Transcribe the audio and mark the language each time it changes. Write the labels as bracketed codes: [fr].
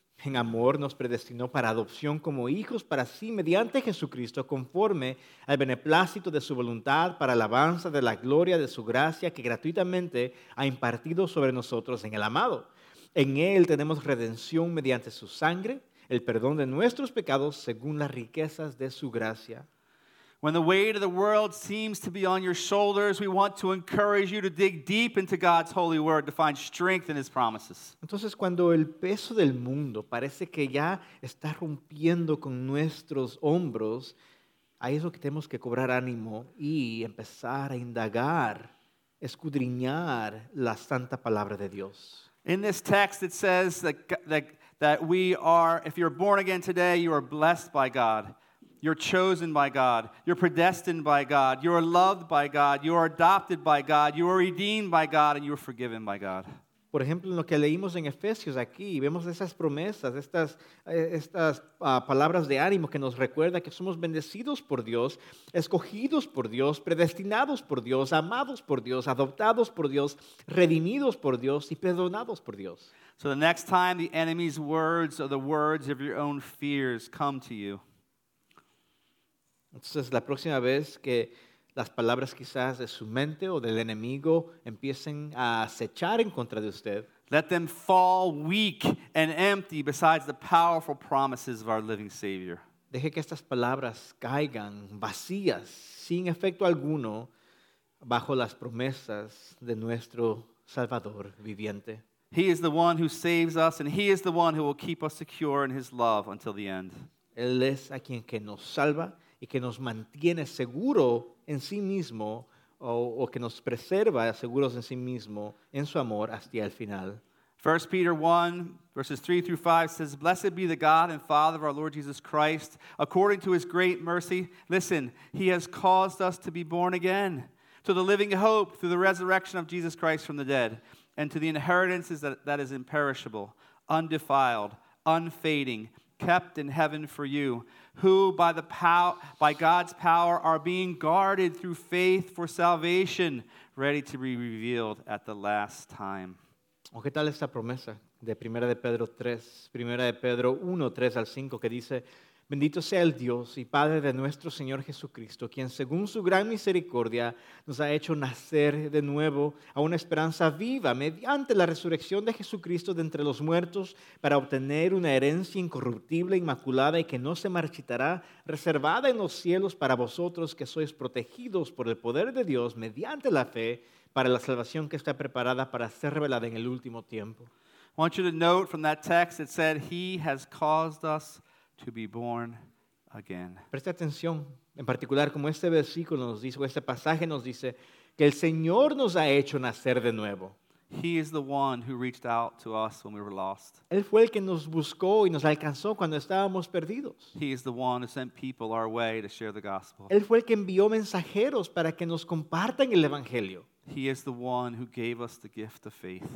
[es] En amor nos predestinó para adopción como hijos para sí mediante Jesucristo, conforme al beneplácito de su voluntad para alabanza de la gloria de su gracia que gratuitamente ha impartido sobre nosotros en el amado. En él tenemos redención mediante su sangre, el perdón de nuestros pecados según las riquezas de su gracia. [en] When the weight of the world seems to be on your shoulders, we want to encourage you to dig deep into God's holy word to find strength in his promises. [es] Entonces, cuando el peso del mundo parece que ya está rompiendo con nuestros hombros, ahí es lo que tenemos que cobrar ánimo y empezar a indagar, escudriñar la santa palabra de Dios. [en] In this text, it says that we are, if you're born again today, you are blessed by God. You're chosen by God. You're predestined by God. You are loved by God. You are adopted by God. You are redeemed by God, and you are forgiven by God. [es] Por ejemplo, en lo que leímos en Efesios aquí, vemos esas promesas, estas palabras de ánimo que nos recuerda que somos bendecidos por Dios, escogidos por Dios, predestinados por Dios, amados por Dios, adoptados por Dios, redimidos por Dios y perdonados por Dios. [en] So the next time the enemy's words or the words of your own fears come to you. [es] Entonces, la próxima vez que las palabras quizás de su mente o del enemigo empiecen a acechar en contra de usted, [en] let them fall weak and empty besides the powerful promises of our living Savior. [es] Deje que estas palabras caigan vacías, sin efecto alguno, bajo las promesas de nuestro Salvador viviente. [en] He is the one who saves us, and he is the one who will keep us secure in his love until the end. [es] Él es a quien que nos salva y que nos mantiene seguro en sí mismo, o que nos preserva seguros en sí mismo, en su amor hasta el final. [en] 1 Peter 1, verses 3 through 5 says, Blessed be the God and Father of our Lord Jesus Christ, according to his great mercy. Listen, he has caused us to be born again, to the living hope through the resurrection of Jesus Christ from the dead, and to the inheritance that is imperishable, undefiled, unfading, kept in heaven for you, who by God's power are being guarded through faith for salvation, ready to be revealed at the last time. [es] ¿O qué tal esta promesa de Primera de Pedro 3, Primera de Pedro 1, 3 al 5, que dice, Bendito sea el Dios y Padre de nuestro Señor Jesucristo, quien según su gran misericordia nos ha hecho nacer de nuevo a una esperanza viva mediante la resurrección de Jesucristo de entre los muertos para obtener una herencia incorruptible, inmaculada y que no se marchitará, reservada en los cielos para vosotros que sois protegidos por el poder de Dios mediante la fe para la salvación que está preparada para ser revelada en el último tiempo. [en] I want you to note from that text, it said, He has caused us to be born again. [es] Preste atención, en particular como este versículo nos dice, o este pasaje nos dice, que el Señor nos ha hecho nacer de nuevo. [en] He is the one who reached out to us when we were lost. [es] Él fue el que nos buscó y nos alcanzó cuando estábamos perdidos. [en] He is the one who sent people our way to share the gospel. [es] Él fue el que envió mensajeros para que nos compartan el evangelio. [en] He is the one who gave us the gift of faith.